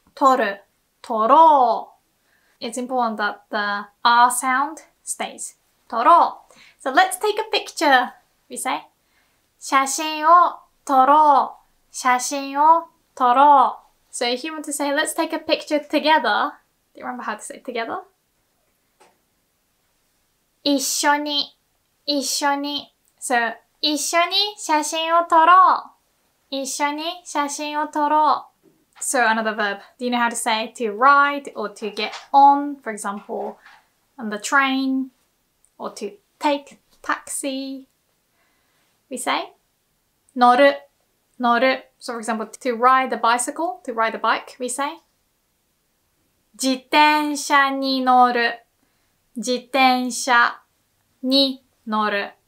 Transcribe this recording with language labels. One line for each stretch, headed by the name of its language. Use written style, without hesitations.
English: 取る, 取ろう.It's important that the r sound stays. 取ろう. So let's take a picture. We say
Japanese: 写真を撮ろう. 写真を撮ろう.
English: So if you want to say let's take a picture together, do you remember how to say together?
Japanese: 一緒に, 一緒に. So 一緒に写真を撮ろう。一緒に写真を撮ろう.
English: So another verb. Do you know how to say to ride or to get on, for example, on the train, or to take taxi? We say 乗る.乗る.So for example, to ride a bicycle, to ride a bike, we say
Japanese: 自転車に乗る。自転車に乗る.